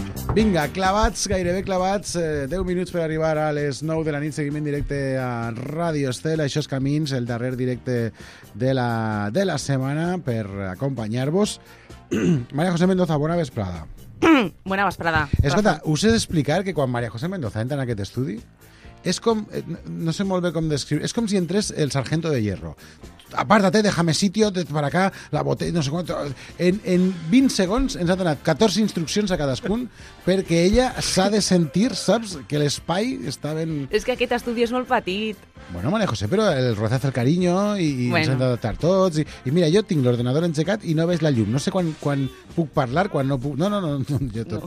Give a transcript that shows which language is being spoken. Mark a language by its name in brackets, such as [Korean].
[Catalan] Vinga, clavats, gairebé clavats, 10 minuts per arribar a les 9 de la nit, seguim en directe a Ràdio Estel, això és Camins, el darrer directe de la setmana per acompanyar-vos. Maria José Mendoza, bona vesprada. Bona vesprada. Escolta, us he d'explicar que quan Maria José Mendoza entra en aquest estudi, és com, no sé molt bé com descriure, és com si entrés el Sargento de Hierro. [Spanish] Apártate, déjame sitio, para acá, la botella, no sé cuánto. [Catalan] En 20 segons ens ha donat 14 instruccions a cadascun perquè ella s'ha de sentir, saps, que l'espai està ben... És que aquest estudi és molt petit. Bueno, María José, però [Spanish] el rozazo el cariño [Catalan] i bueno. Ens hem d'adaptar tots. I mira, jo tinc l'ordenador engegat i no veig la llum. No sé quan puc parlar, quan no puc... No. Jo tot, no.